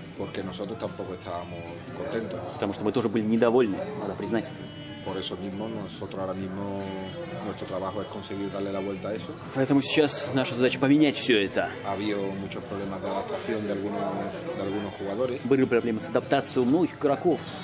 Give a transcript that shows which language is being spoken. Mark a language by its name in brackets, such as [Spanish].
[Russian] Потому что мы тоже были недовольны, надо признать это. [Spanish] Por eso mismo, nosotros ahora mismo nuestro trabajo es conseguir darle la vuelta a eso. [Russian] Поэтому сейчас наша задача поменять все это. [Spanish] Había muchos problemas de adaptación de algunos jugadores. [Russian] Были проблемы с адаптацией у многих игроков.